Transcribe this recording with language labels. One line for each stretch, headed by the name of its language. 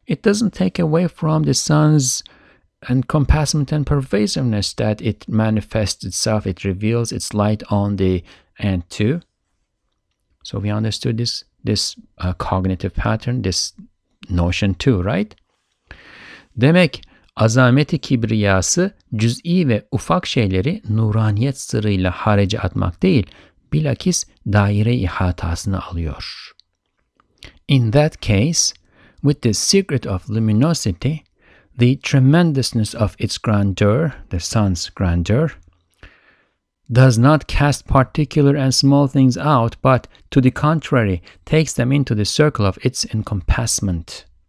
English: it doesn't take away from the sun's encompassment and pervasiveness that it manifests itself. It reveals its light on the end too. So we understood this cognitive pattern, this notion too, right?
Turkish: Demek azameti kibriyası cüz'i ve ufak şeyleri nuraniyet sırrıyla harece atmak değil, bilakis daire ihatasını alıyor.
English: In that case, with the secret of luminosity, the tremendousness of its grandeur, the sun's grandeur, does not cast particular and small things out, but to the contrary, takes them into the circle of its encompassment.